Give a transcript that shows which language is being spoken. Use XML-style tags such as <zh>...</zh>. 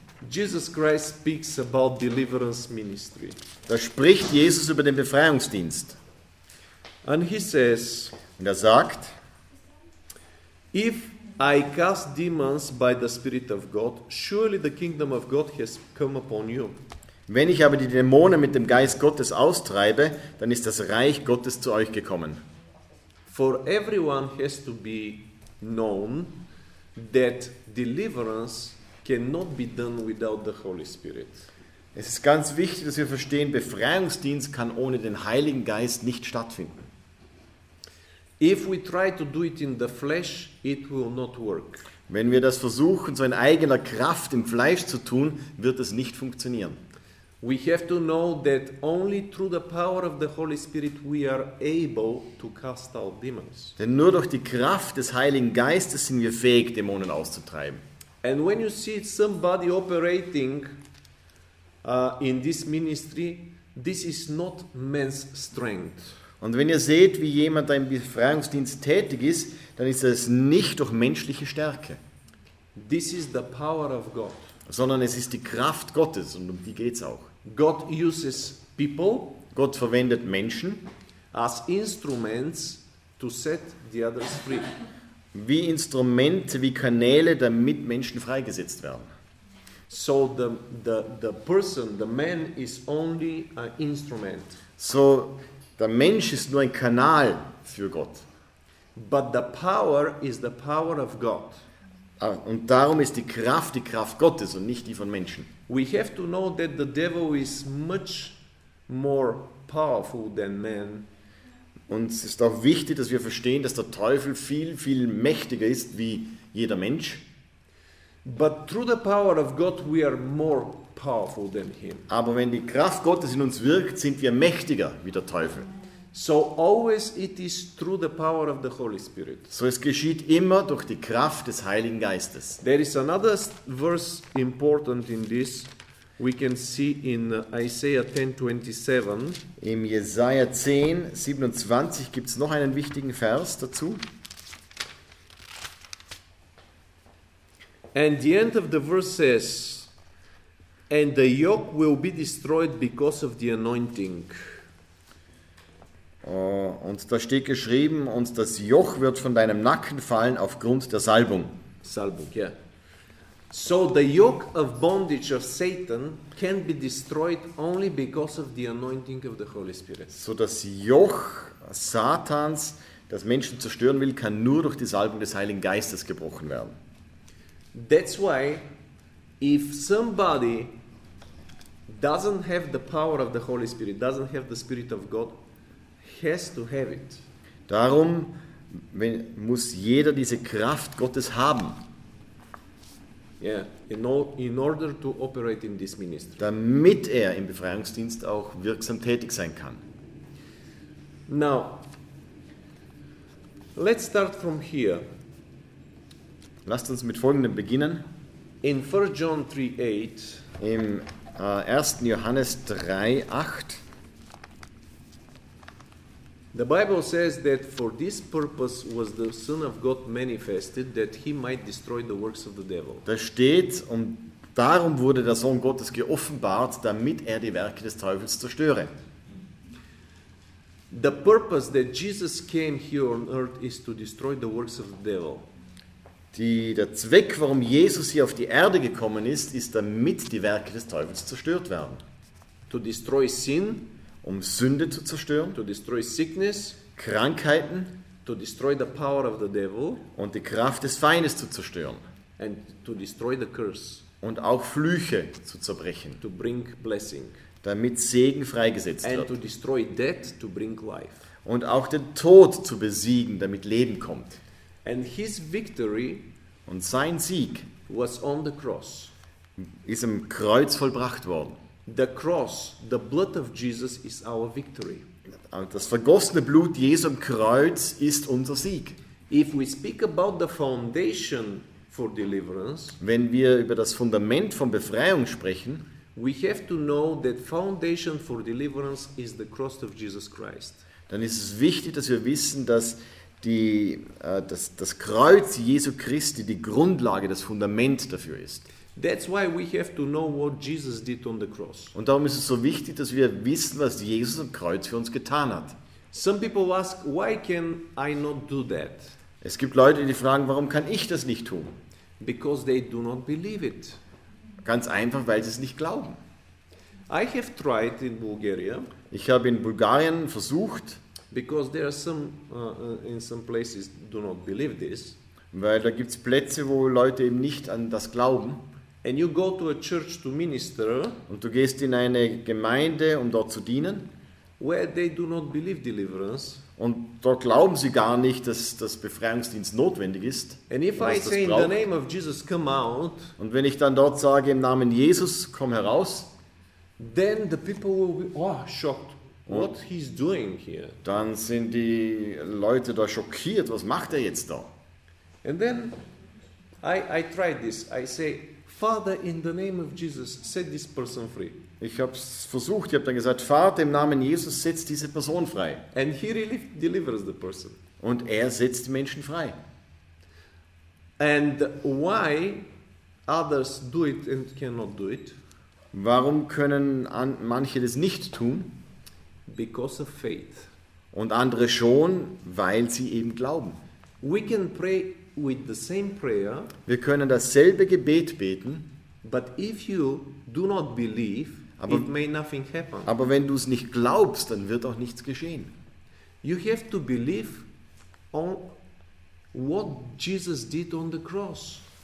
<en>Jesus Christ speaks about deliverance ministry.</en> <de>Da spricht Jesus über den Befreiungsdienst.</de> <en>And he says,</en> <de>und er sagt,</de> <en>if I cast demons by the Spirit of God, surely the kingdom of God has come upon you.</en> <de>Wenn ich aber die Dämonen mit dem Geist Gottes austreibe, dann ist das Reich Gottes zu euch gekommen.</de> <en>For everyone has to be known that deliverance cannot be done without the Holy Spirit.</en> <de>Es ist ganz wichtig, dass wir verstehen, Befreiungsdienst kann ohne den Heiligen Geist nicht stattfinden.</de> <en>If we try to do it in the flesh, it will not work.</en> <de>Wenn wir das versuchen, so in eigener Kraft im Fleisch zu tun, wird es nicht funktionieren.</de> <en>We have to know that only through the power of the Holy Spirit we are able to cast out demons.</en> <de>Denn nur durch die Kraft des Heiligen Geistes sind wir fähig, Dämonen auszutreiben.</de> <en>And when you see somebody operating in this ministry, this is not man's strength.</en> <de>Und wenn ihr seht, wie jemand im Befreiungsdienst tätig ist, dann ist das nicht durch menschliche Stärke.</de> <en>This is the power of God.</en> <de>Sondern es ist die Kraft Gottes und um die geht's auch.</de> <en>God uses people,</en> <de>Gott verwendet Menschen</de> <en>as instruments to set the others free.</en> <de>Wie Instrumente, wie Kanäle, damit Menschen freigesetzt werden.</de> <en>So the person, the man is only an instrument.</en> <de>So der Mensch ist nur ein Kanal für Gott.</de> <en>But the power is the power of God.</en> <de>Und darum ist die Kraft Gottes und nicht die von Menschen.</de> <en>We have to know that the devil is much more powerful than man.</en> <de>Und es ist auch wichtig, dass wir verstehen, dass der Teufel viel, viel mächtiger ist wie jeder Mensch.</de> <en>But through the power of God we are more powerful than him.</en> <de>Aber wenn die Kraft Gottes in uns wirkt, sind wir mächtiger wie der Teufel.</de> <en>So always it is through the power of the Holy Spirit.</en> <de>So es geschieht immer durch die Kraft des Heiligen Geistes.</de> <en>There is another verse important in this. We can see in Isaiah 10:27.</en> <de>Im Jesaja 10:27 gibt es noch einen wichtigen Vers dazu.</de> <en>And the end of the verse says, and the yoke will be destroyed because of the anointing.</en> <de>Und da steht geschrieben, und das Joch wird von deinem Nacken fallen aufgrund der Salbung. Salbung, ja.</de> <en>Yeah. So the yoke of bondage of Satan can be destroyed only because of the anointing of the Holy Spirit.</en> <de>So das Joch Satans, das Menschen zerstören will, kann nur durch die Salbung des Heiligen Geistes gebrochen werden.</de> <en>That's why if somebody doesn't have the power of the Holy Spirit, doesn't have the Spirit of God, has to have it.</en> <de>Darum muss jeder diese Kraft Gottes haben.</de> <en>Yeah, in order to operate in this ministry.</en> <de>Damit er im Befreiungsdienst auch wirksam tätig sein kann.</de> <en>Now, let's start from here.</en> <de>Lasst uns mit Folgendem beginnen.</de> <en>In 1 John 3:8.</en> <de>Im 1. Johannes 3:8.</de> <en>The Bible says that for this purpose was the Son of God manifested, that he might destroy the works of the devil.</en> <de>Da steht, und darum wurde der Sohn Gottes geoffenbart, damit er die Werke des Teufels zerstöre.</de> <en>The purpose that Jesus came here on earth is to destroy the works of the devil.</en> <de>Der Zweck, warum Jesus hier auf die Erde gekommen ist, ist, damit die Werke des Teufels zerstört werden.</de> <en>To destroy sin.</en> <de>Um Sünde zu zerstören,</de> <en>to destroy sickness,</en> <de>Krankheiten,</de> <en>to destroy the power of the devil,</en> <de>und die Kraft des Feindes zu zerstören,</de> <en>and to destroy the curse,</en> <de>und auch Flüche zu zerbrechen,</de> <en>to bring blessing,</en> <de>damit Segen freigesetzt</de> <en>and</en> <de>wird,</de> <en>to destroy death, to bring life,</en> <de>und auch den Tod zu besiegen, damit Leben kommt.</de> <en>And his victory,</en> <de>und sein Sieg,</de> <en>was on the cross,</en> <de>ist am Kreuz vollbracht worden.</de> <en>The cross, the blood of Jesus is our victory.</en> <de>Das vergossene Blut Jesu am Kreuz ist unser Sieg.</de> <en>If we speak about the foundation for deliverance,</en> <de>wenn wir über das Fundament von Befreiung sprechen,</de> <en>we have to know that foundation for deliverance is the cross of Jesus Christ.</en> <de>Dann ist es wichtig, dass wir wissen, dass das Kreuz Jesu Christi die Grundlage, das Fundament dafür ist.</de> <en>That's why we have to know what Jesus did on the cross.</en> <de>Und darum ist es so wichtig, dass wir wissen, was Jesus am Kreuz für uns getan hat.</de> <en>Some people ask, why can I not do that?</en> <de>Es gibt Leute, die fragen, warum kann ich das nicht tun?</de> <en>Because they do not believe it.</en> <de>Ganz einfach, weil sie es nicht glauben.</de> <en>I have tried in Bulgaria.</en> <de>Ich habe in Bulgarien versucht.</de> <en>Because there are some in some places do not believe this.</en> <de>Weil da gibt's Plätze, wo Leute eben nicht an das glauben.</de> <en>And you go to a church to minister,</en> <de>und du gehst in eine Gemeinde, um dort zu dienen,</de> <en>where they do not believe deliverance,</en> <de>und dort glauben sie gar nicht, dass das Befreiungsdienst notwendig ist.</de> <en>And if I say in the name of Jesus, come out,</en> <de>und wenn ich dann dort sage, im Namen Jesus, komm heraus,</de> <en>then the people will be, oh, shocked. What he's doing here.</en> <de>Dann sind die Leute da schockiert, was macht er jetzt da?</de> <en>And then I tried this. I say, Father, in the name of Jesus, set this person free.</en> <de>Ich habe es versucht. Ich habe dann gesagt, Vater, im Namen Jesus, setz diese Person frei.</de> <en>And he really delivers the person.</en> <de>Und er setzt Menschen frei.</de> <en>And why others do it and cannot do it?</en> <de>Warum können manche das nicht tun?</de> <en>Because of faith.</en> <de>Und andere schon, weil sie eben glauben.</de> <en>We can pray with the same prayer,</en> <de>wir können dasselbe Gebet beten,</de> <en>but if you do not believe, it may nothing happen.</en> <de>Aber wenn du es nicht glaubst, dann wird auch nichts geschehen.</de> <en>You have to believe on what Jesus did on the cross.</en>